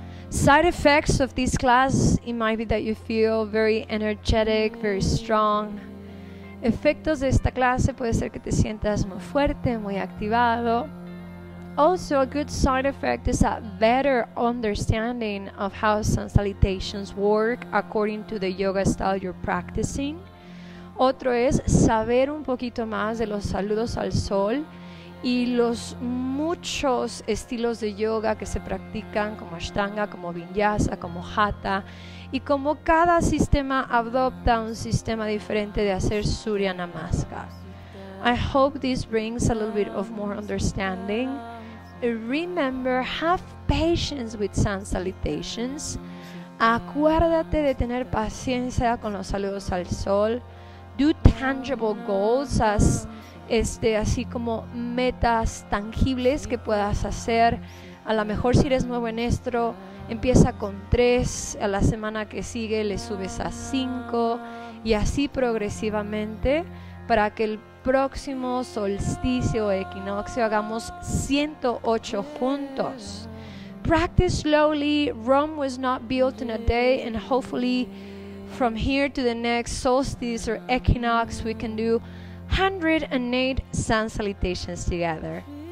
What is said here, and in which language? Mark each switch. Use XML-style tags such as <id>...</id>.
<en>Side effects of this class, it might be that you feel very energetic, very strong.</en> <es>Efectos de esta clase, puede ser que te sientas muy fuerte, muy activado.</es> <en>Also, a good side effect is a better understanding of how sun salutations work according to the yoga style you're practicing.</en> <es>Otro es saber un poquito más de los saludos al sol y los muchos estilos de yoga que se practican, como Ashtanga, como Vinyasa, como Hatha, y como cada sistema adopta un sistema diferente de hacer Surya Namaskar.</es> <en>I hope this brings a little bit of more understanding. Remember, have patience with sun salutations.</en> <es>Acuérdate de tener paciencia con los saludos al sol.</es> <en>Do tangible goals as</en> <es>así como metas tangibles que puedas hacer. A lo mejor si eres nuevo en esto, empieza con 3, a la semana que sigue le subes a 5 y así progresivamente para que el próximo solsticio equinoccio hagamos 108 juntos.</es> <en>Practice slowly. Rome was not built in a day, and hopefully from here to the next solstice or equinox, we can do 108 sun salutations together.</en>